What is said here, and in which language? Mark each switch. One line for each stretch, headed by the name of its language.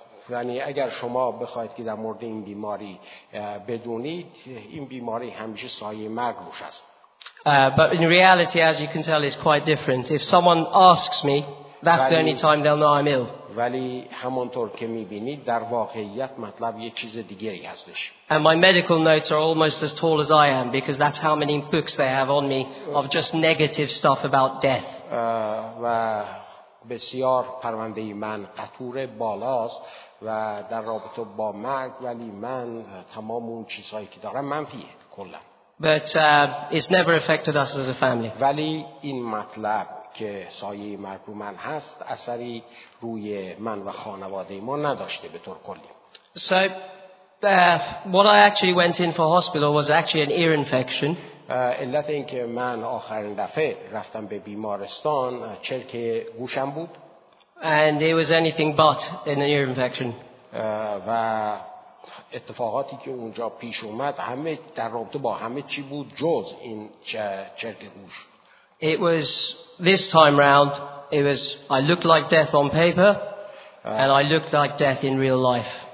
Persian: یعنی اگر شما بخواید که در مورد این بیماری بدونید این بیماری همیشه سایه مرگ روش است.
English: But in reality as you can tell it's quite different. If someone asks me that's the only time they'll know I'm ill.
Persian: ولی همونطور که می‌بینید در واقعیت مطلب یه چیز دیگری هستش.
English: And my medical notes are almost as tall as I am because that's how many books they have on me of just negative stuff about death.
Persian: و بسیار پرونده من قطور بالاست و در رابطه با مرگ ولی من تمام اون چیزهایی که دارم منفیه کلا.
English: But it's never affected us as a family.
Persian: ولی این مطلب که سایه مرگ رو من هست اثری روی من و خانواده ما نداشته به طور کلی.
English: So what I actually went in for hospital was actually an ear infection.
Persian: علت این که من آخرین دفعه رفتم به بیمارستان چرک گوشم بود.
English: And it was anything but an ear infection.
Persian: و اتفاقاتی که اونجا پیش اومد همه در رابطه با همه چی بود جز این چرک گوش.
English: It was this time round. It was I looked like death on paper, and I looked like death in real life.